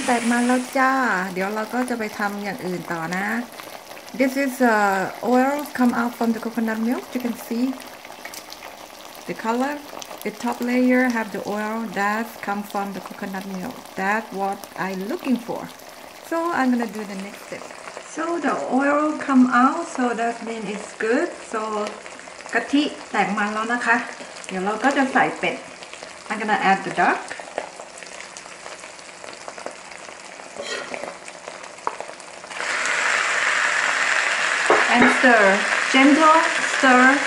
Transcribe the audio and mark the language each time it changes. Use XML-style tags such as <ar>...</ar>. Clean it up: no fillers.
<th>แตกมาแล้วจ้าเดี๋ยวเราก็จะไปทำอย่างอื่นต่อนะ</th> <en>This is oil come out from the coconut milk. You can see the color. The top layer have the oil that come from the coconut milk. That's what I looking for. So I'm gonna do the next step. So the oil come out, so that means it's good.</en> <th>So, กะทิแตกมันแล้วนะคะเดี๋ยวเราก็จะใส่เป็ด</th> <en>I'm gonna add the duck. And stir. Gentle stir.</en>